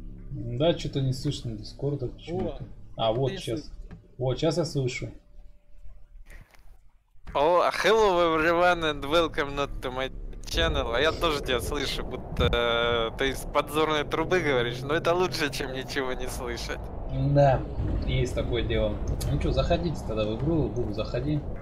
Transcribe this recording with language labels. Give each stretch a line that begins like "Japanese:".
Russian: Да, что-то не слышно дискорда почему-то. А, вот сейчас. Вот, сейчас я слышу.
English: О, oh, hello everyone and welcome not to my channel.
Russian: А я тоже тебя слышу, будто ты из подзорной трубы говоришь, но это лучше, чем ничего не слышать. Да, есть такое дело. Ну что, заходите тогда в игру, Бум, заходи.